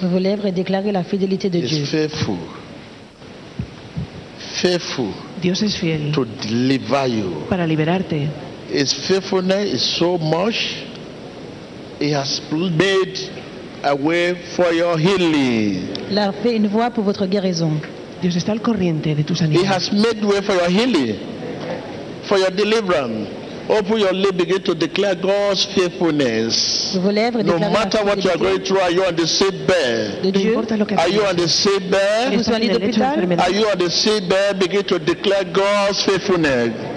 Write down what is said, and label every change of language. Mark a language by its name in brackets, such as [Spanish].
[French] Vos lèvres déclarent la fidélité de Dieu. [English] He's faithful. Faithful. [Spanish] Dios es fiel. [English] To deliver you. [Spanish] Para liberarte. [English] His faithfulness is so much. He has made a way for your healing. [French] Il a fait une voie pour votre guérison. [Spanish] Dios está al corriente de tu sanidad. [English] He has made way for your healing, for your deliverance. Open your lips, begin to declare God's faithfulness. No matter what you are going through, are you on the sick bed? Are you on the sick bed? Are you on the sick bed? Begin to declare God's faithfulness.